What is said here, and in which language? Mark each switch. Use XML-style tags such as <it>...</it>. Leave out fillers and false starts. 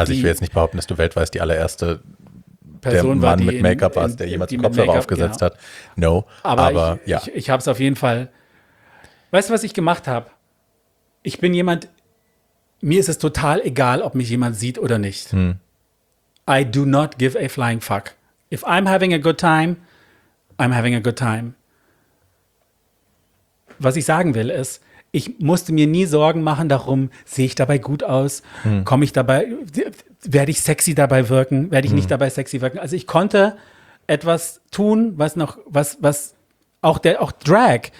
<de>Also ich will jetzt nicht behaupten, dass du weltweit die allererste Person war, die mit Make-up war, der jemals Kopfhörer aufgesetzt hat. No, aber ja. Ich habe es auf jeden Fall. Weißt du, was ich gemacht habe? Ich bin jemand, mir ist es total egal, ob mich jemand sieht oder nicht.</de> <en>I do not give a flying fuck. If I'm having a good time, I'm having a good time.</en> <de>Was ich sagen will ist, ich musste mir nie Sorgen machen darum, sehe ich dabei gut aus, komme ich dabei, werde ich sexy dabei wirken, werde ich nicht dabei sexy wirken. Also ich konnte etwas tun, was auch Drag.</de>